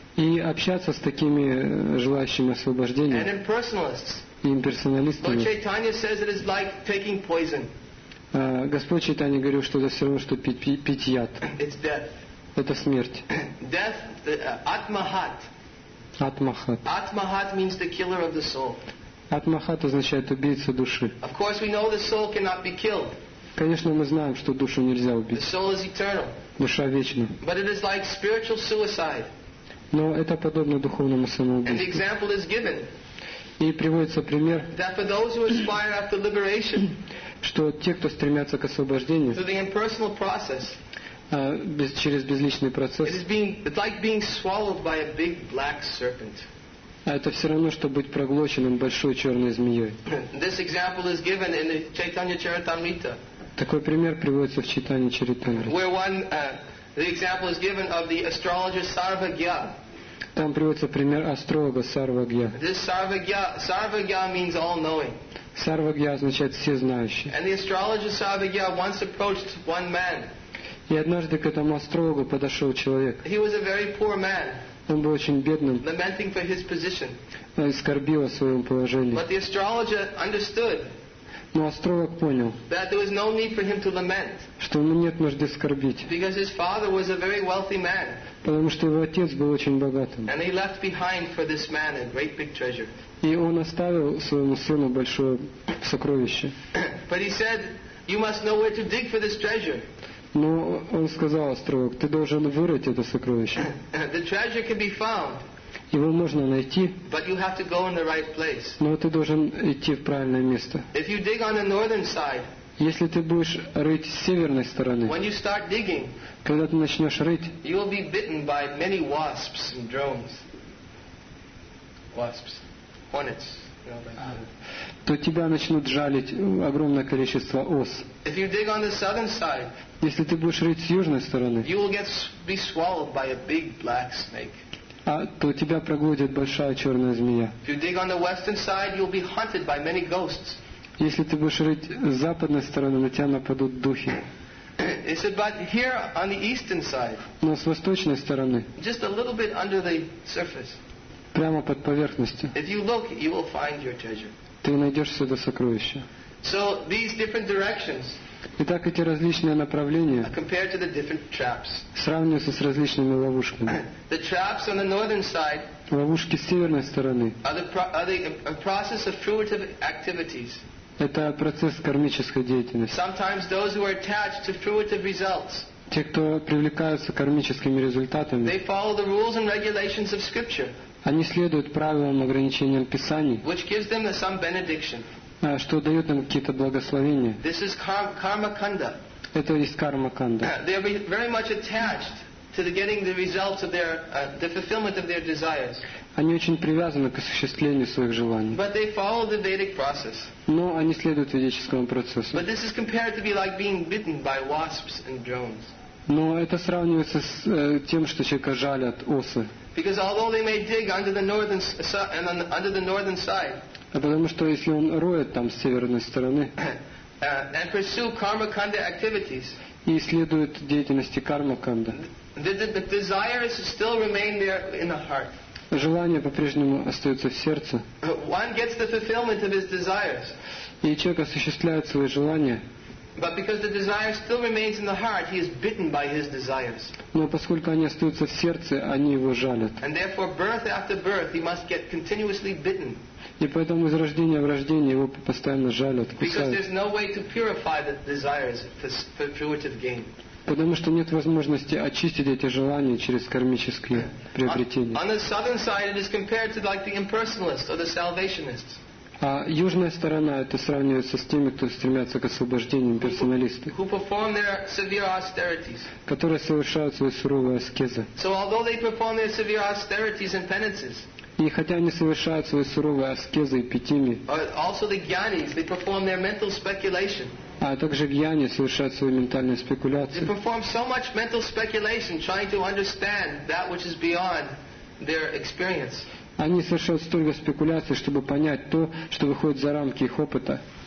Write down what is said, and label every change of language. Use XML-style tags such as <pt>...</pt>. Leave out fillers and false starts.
<ru>И общаться с такими желающими освобождения.</ru> <en>And impersonalists.</en> <ru>имперсоналистами.</ru> <en>Lord Chaitanya says it is like taking poison.</en> <ru>Господь Чайтанья говорил, что это все равно, что пить яд.</ru> <en>It's death.</en> <ru>Это смерть.</ru> <en>Death, Atmahat.</en> <sa>Atmahat.</sa> <en>Atmahat means the killer of the soul.</en> <ru>Atmahat означает убийца души.</ru> <en>Of course, we know the soul cannot be killed.</en> <ru>Конечно, мы знаем, что душу нельзя убить.</ru> <en>The soul is eternal.</en> <ru>Душа вечна.</ru> <en>But it is like spiritual suicide.</en> <ru>Но это подобно духовному самоубийству.</ru> <en>And the example is given.</en> <ru>И приводится пример,</ru> <en>that for those who aspire after liberation,</en> <ru>что те, кто стремятся к освобождению,</ru> <en>through the impersonal process,</en> <ru>через безличный процесс,</ru> <en>it's like being swallowed by a big black serpent.</en> <ru>Это все равно, что быть проглоченным большой черной змеей.</ru> <en>This example is given in the Chaitanya Charitamrita.</en> <ru>Такой пример приводится в Чайтанья Чаритамрите.</ru> <en>Where one, the example is given of the astrologer Sarvagya.</en> <ru>Там приводится пример астролога Сарвагья.</ru> <en>This Sarvagya means all knowing.</en> <ru>Сарвагья означает все знающие.</ru> <en>And the astrologer Sarvagya once approached one man.</en> <ru>И однажды к этому астрологу подошел человек.</ru> <en>He was a very poor man.</en> <ru>Он был очень бедным.</ru> <en>Lamenting for his position.</en> <ru>Он скорбил о своем положении.</ru> <en>But the astrologer understood.</en> <ru>Но астролог понял.</ru> <en>That there was no need for him to lament.</en> <ru>Что ему нет нужды скорбить.</ru> <en>Because his father was a very wealthy man.</en> <ru>Потому что его отец был очень богатым.</ru> <en>And he left behind for this man a great big treasure.</en> <ru>И он оставил своему сыну большое сокровище.</ru> <en>But he said, you must know where to dig for this treasure.</en> <ru>Но он сказал астролог, ты должен вырыть это сокровище.</ru> <en>The treasure can be found.</en> <ru>Его можно найти.</ru> <en>But you have to go in the right place.</en> <ru>Но ты должен идти в правильное место.</ru> <en>If you dig on the northern side.</en> <ru>Если ты будешь рыть с северной стороны.</ru> <en>When you start digging.</en> <ru>Когда ты начнешь рыть.</ru> <en>You will be bitten by many wasps and drones. Wasps. Hornets.</en> <ru>То тебя начнут жалить огромное количество ос.</ru> <en>If you dig on the southern side,</en> <ru>если ты будешь рыть с южной стороны,</ru> <en>you will be swallowed by a big black snake.</en> <ru>А то тебя проглотит большая черная змея.</ru> <en>If you dig on the western side, you will be hunted by many ghosts.</en> <ru>Если ты будешь рыть с западной стороны, на тебя нападут духи.</ru> <en>He said, but here on the eastern side,</en> <ru>но с восточной стороны,</ru> <en>just a little bit under the surface,</en> <ru>прямо под поверхностью.</ru> <en>If you look, you will find your treasure.</en> <ru>Ты найдешь все это сокровище.</ru> <en>So these different directions.</en> <ru>Итак, эти различные направления.</ru> <en>Compared to the different traps.</en> <ru>Сравниваются с различными ловушками.</ru> <en>The traps on the northern side.</en> <ru>Ловушки с северной стороны.</ru> <en>Are the process of fruitive activities.</en> <ru>Это процесс кармической деятельности.</ru> <en>Sometimes those who are attached to fruitive results.</en> <ru>Те, кто привлекаются кармическими результатами.</ru> <en>They follow the rules and regulations of scripture.</en> <ru>Они следуют правилам и ограничениям Писаний,</ru> <en>which gives them some benediction.</en> <ru>Что дает им какие-то благословения.</ru> <en>This is karmakanda.</en> <ru>Это есть карма-канда.</ru> <en>They are very much attached to the getting the results of their the fulfillment of their desires.</en> <ru>Они очень привязаны к осуществлению своих желаний.</ru> <en>But they follow the Vedic process.</en> <ru>Но они следуют ведическому процессу.</ru> <en>But this is compared to be like being bitten by wasps and drones.</en> <ru>Но это сравнивается с тем, что человека жалят осы.</ru> <en>Because although they may dig under the northern and under the northern side,</en> <ru>потому что если он роет там с северной стороны,</ru> <en>and pursue karmakanda activities,</en> <ru>и следует деятельности кармаканда,</ru> <en>the desires still remain there in the heart.</en> <ru>Желание по-прежнему остается в сердце.</ru> <en>One gets the fulfillment of his desires.</en> <ru>И человек осуществляет свои желания.</ru> <en>But because the desire still remains in the heart, he is bitten by his desires.</en> <ru>Но поскольку они остаются в сердце, они его жалят.</ru> <en>And therefore, birth after birth, he must get continuously bitten.</en> <ru>И поэтому из рождения в рождение его постоянно жалят, кусают.</ru> <en>Because there's no way to purify the desires for fruitive gain.</en> <ru>Потому что нет возможности очистить эти желания через кармические приобретения.</ru> <en>On the southern side, it is compared to like the impersonalists or the salvationists.</en> <ru>А южная сторона это сравнивается с теми, кто стремятся к освобождению, персоналисты,</ru> <en>who perform their severe austerities.</en> <ru>Которые совершают свои суровые аскезы.</ru> <en>So although they perform their severe austerities and penances,</en> <ru>и хотя они совершают свои суровые аскезы и питими,</ru> <en>also the gyanis, they perform their mental speculation.</en> <ru>А также гьяни совершают свои ментальные спекуляции.</ru> <en>They perform so much mental speculation, trying to understand that which is beyond their experience.</en> <ru>Они совершают столько спекуляций, чтобы понять то, что выходит за рамки их опыта.</ru>